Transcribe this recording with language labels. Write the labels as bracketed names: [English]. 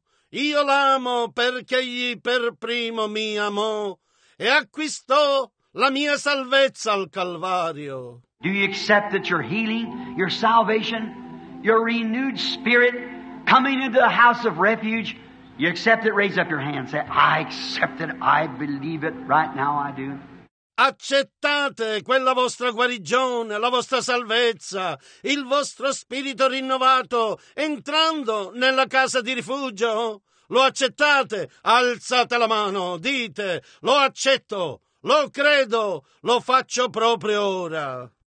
[Italian] Io l'amo perché egli per primo mi amò e acquistò la mia salvezza al Calvario. [English] Do you accept that your healing, your salvation, your renewed spirit coming into the house of refuge? You accept it, raise up your hand. Say, I accept it, I believe it, right now I do. [Italian] Accettate quella vostra guarigione, la vostra salvezza, il vostro spirito rinnovato, entrando nella casa di rifugio. Lo accettate? Alzate la mano, dite, lo accetto, lo credo, lo faccio proprio ora.